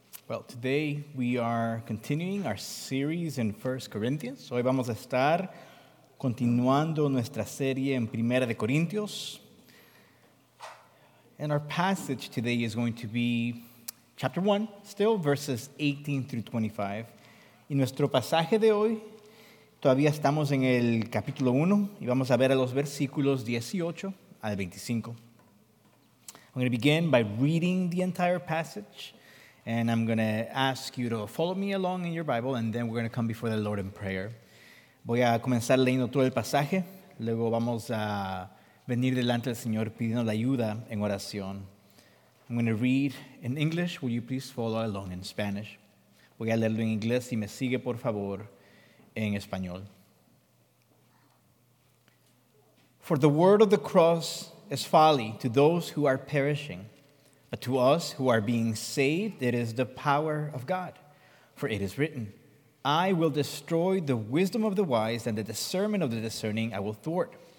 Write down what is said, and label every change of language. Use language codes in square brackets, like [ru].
[en] Well, today we are continuing our series in 1 Corinthians. [es] Hoy vamos a estar continuando nuestra serie en Primera de Corintios. [en] And our passage today is going to be chapter 1, still verses 18 through 25. [es] Y nuestro pasaje de hoy, todavía estamos en el capítulo 1 y vamos a ver a los versículos 18 al 25. [en] I'm going to begin by reading the entire passage. And I'm going to ask you to follow me along in your Bible, and then we're going to come before the Lord in prayer. [es] Voy a comenzar leyendo todo el pasaje, luego vamos a venir delante del Señor pidiendo la ayuda en oración. [en] I'm going to read in English. Will you please follow along in Spanish? [es] Voy a leerlo en inglés y me sigue, por favor, en español. [en] For the word of the cross is folly to those who are perishing. But to us who are being saved, it is the power of God. For it is written, I will destroy the wisdom of the wise, and the discernment of the discerning I will thwart.